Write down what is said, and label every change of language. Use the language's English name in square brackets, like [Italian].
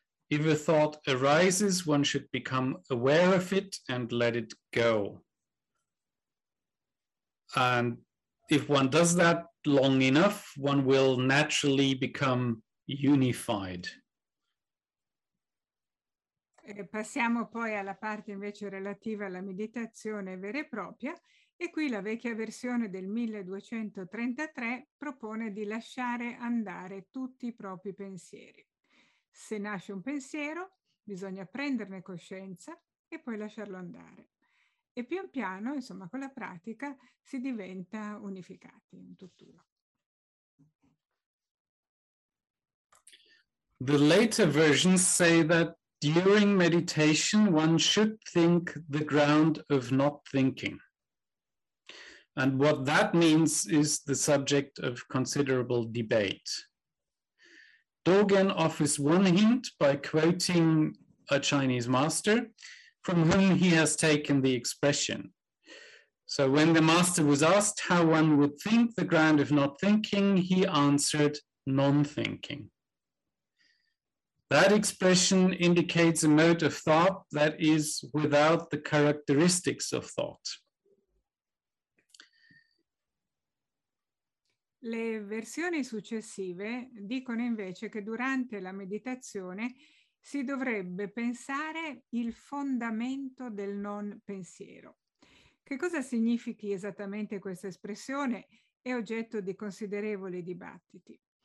[English] If a thought arises, one should become aware of it and let it go. And if one does that long enough, one will naturally become unified. [Italian] Passiamo poi alla parte invece relativa alla meditazione vera e propria e qui la vecchia versione del 1233 propone di lasciare andare tutti i propri pensieri. Se nasce un pensiero, bisogna prenderne coscienza e poi lasciarlo andare. E pian piano, insomma, con la pratica, si diventa unificati in tutt'uno. [English] The later versions say that during meditation, one should think the ground of not thinking. And what that means is the subject of considerable debate. Dogen offers one hint by quoting a Chinese master from whom he has taken the expression. So when the master was asked how one would think the ground of not thinking, he answered non-thinking. That expression indicates a mode of thought that is without the characteristics of thought. [Italian] Le versioni successive dicono invece che durante la meditazione si dovrebbe pensare il fondamento del non pensiero. Che cosa significhi esattamente questa espressione? È oggetto di considerevoli dibattiti.